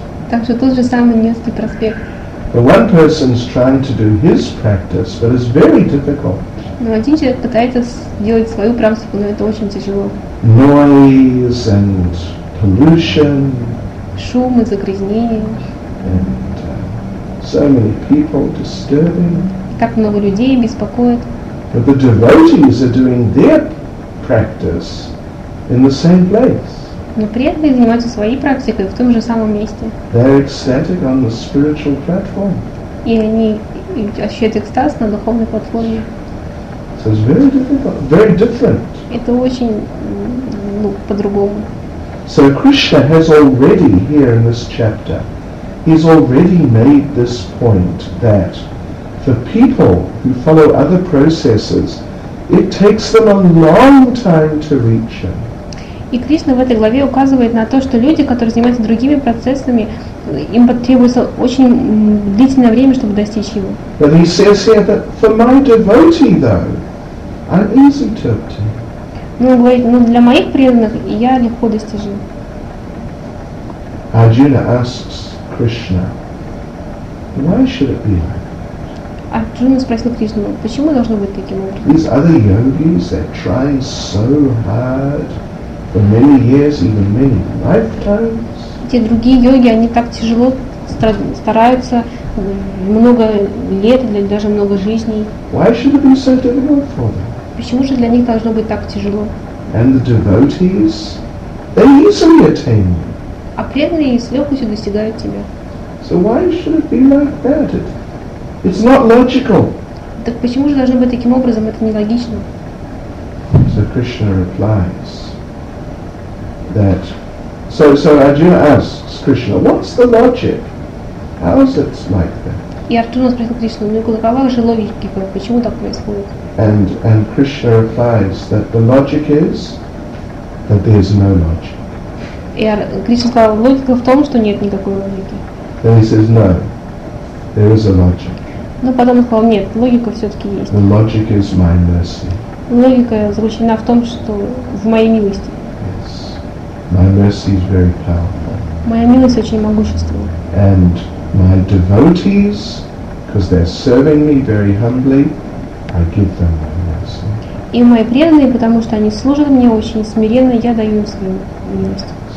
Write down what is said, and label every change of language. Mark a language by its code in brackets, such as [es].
[ru] Так что тот же самый Невский проспект. [en] But one person is trying to do his practice, but it's very difficult. [ru] Но один человек пытается делать свою практику, но это очень тяжело. [en] Noise and pollution. [ru] Шум и загрязнение. [en] And so many people disturbing. [ru] Так много людей беспокоит. [en] But the devotees are doing their practice in the same place. [ru] Но преданные занимаются своей практикой в том же самом месте. [en] They're ecstatic on the spiritual platform. [ru] И они ощущают экстаз на духовной платформе. [en] So it's very difficult, very different. [ru] Это очень по-другому. [en] So Krishna has already here in this chapter he's already made this point that for people who follow other processes, it takes them a long time to reach him. [ru] И Кришна в этой главе указывает на то, что люди, которые занимаются другими процессами, им потребуется очень длительное время, чтобы достичь его. [en] But he says here that for my devotee, though, I'm easy to obtain. [ru] Ну, он говорит, ну для моих преданных я легко достижу. [en] Arjuna asks Krishna, why should it be like that? [ru] Arjuna спросил Кришну, почему должно быть таким образом? [en] These other yogis that try so hard for many years, even many lifetimes. [ru] Те другие йоги, они так тяжело стараются много лет, даже много жизней. [en] Why should it be so difficult for them? [ru] Почему же для них должно быть так тяжело? [en] And the devotees, they easily attain them. [ru] А преданные с легкостью достигают тебя. [en] So why should it be like that? It's not logical. [ru] Так почему же должно быть таким образом? Это нелогично. [en] So Krishna replies that. So Arjuna asks Krishna, what's the logic? How is it like that? [ru] И Арджуна спросил Кришну, ну какова же логика, почему так происходит? [en] And Krishna replies that the logic is that there is no logic. [ru] И Кришна сказал, логика в том, что нет никакой логики. [en] Then he says, no, there is a logic. [ru] Но потом он сказал, нет, логика все-таки есть. [en] The logic is my mercy. [ru] Логика заключена в том, что в моей милости. [en] Yes, my mercy is very powerful. [ru] Моя милость очень могущественна. [en] And my devotees, because they're serving me very humbly, I give them my mercy. [ru] И мои преданные, потому что они служат мне очень смиренно, я даю им свою милость.